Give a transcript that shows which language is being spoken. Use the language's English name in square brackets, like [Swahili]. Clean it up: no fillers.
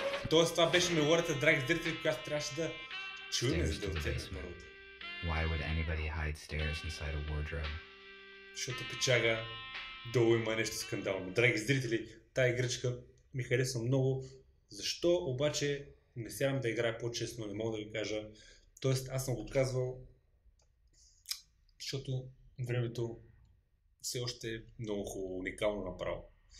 [Bulgarian] Тоест, това беше мелодията, драги зрители, която трябваше да чуем, за да оцелим хората. [English] Why would anybody hide stairs inside a wardrobe? [Bulgarian] Защото печага, долу има нещо скандално. Драги зрители, тая игричка ми харесва много. Защо обаче не сядам да играя по-честно, не мога да ви кажа. Тоест, аз съм го казвал, защото времето все още е много хубаво, уникално направо.